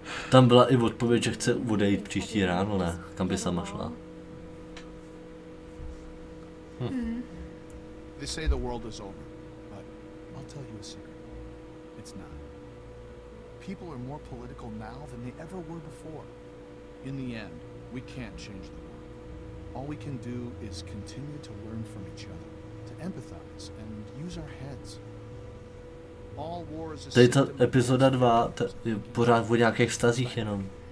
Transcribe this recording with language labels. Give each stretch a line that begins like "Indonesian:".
Czech: Tam byla i odpověď, že chce odejít příští ráno, ne? Kam by sama šla?
English: They say the world is over, but I'll tell you a secret. It's not. People are more political now than they ever were before. In the end, we can't change the world. All we can do is continue to learn from each other, to empathize and use our heads.
Czech: Tady ta epizoda 2 je pořád o nějakých vztazích jenom.